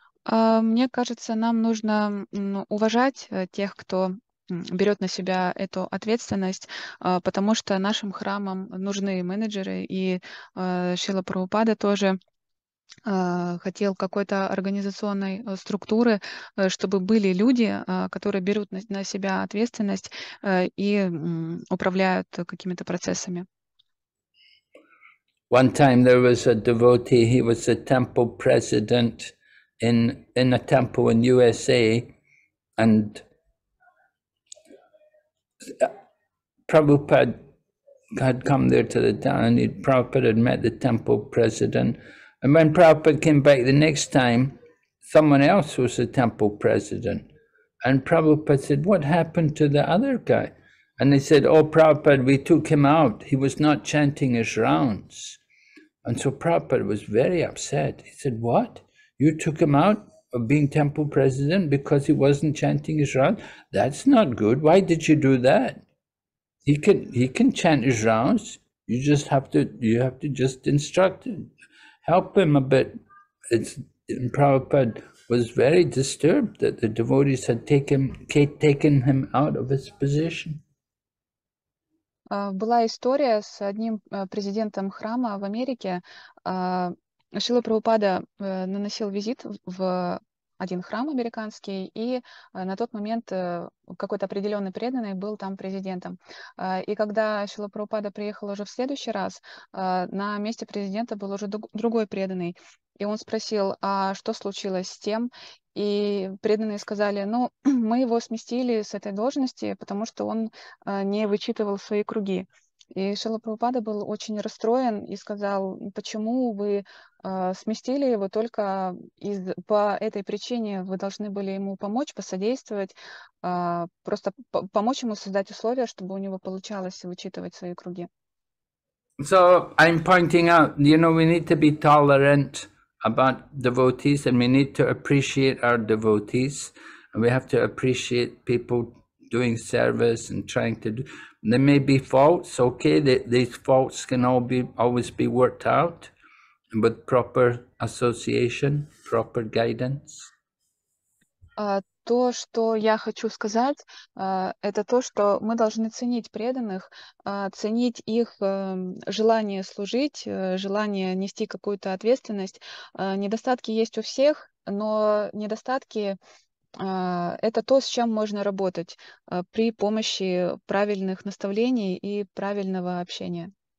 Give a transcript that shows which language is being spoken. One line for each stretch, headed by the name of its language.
Russian: Мне кажется, нам нужно уважать тех, кто берет на себя эту ответственность, потому что нашим храмам нужны менеджеры, и Шрила Прабхупада тоже хотел какой-то организационной структуры, чтобы были люди, которые берут на себя ответственность и управляют какими-то процессами.
English: One time there was a devotee, he was a temple president in a temple in USA, and Prabhupada had come there to the town, and Prabhupada had met the temple president. And when Prabhupada came back the next time, someone else was the temple president. And Prabhupada said, "What happened to the other guy?" And they said, "Oh, Prabhupada, we took him out. He was not chanting his rounds." And so Prabhupada was very upset. He said, "What? You took him out? being temple president because he wasn't chanting Israel. That's not good. Why did you do that? He can chant his rounds. You have to just instruct him, help him a bit. It's Prabhupada was very disturbed that the devotees had taken him out of his position.
Russian: Была история с одним президентом храма в Америке. Шрила Прабхупада наносил визит в один храм американский, и на тот момент какой-то определенный преданный был там президентом. И когда Шрила Прабхупада приехал уже в следующий раз, на месте президента был уже другой преданный. И он спросил, а что случилось с тем? И преданные сказали, ну, мы его сместили с этой должности, потому что он не вычитывал свои круги. И Шрила Прабхупада был очень расстроен и сказал, почему вы сместили его только по этой причине, вы должны были ему помочь, посодействовать, просто помочь ему создать условия, чтобы у него получалось вычитывать свои круги.
English: So I'm pointing out, you know, we need to be tolerant about devotees, and we need to appreciate our devotees, and we have to appreciate people doing service and trying to do. There may be faults, okay, these faults can always be worked out with proper association, proper guidance.
Russian: То, что я хочу сказать, это то, что мы должны ценить преданных, ценить их желание служить, желание нести какую-то ответственность. Недостатки есть у всех, но недостатки — это то, с чем можно работать при помощи правильных наставлений и правильного общения.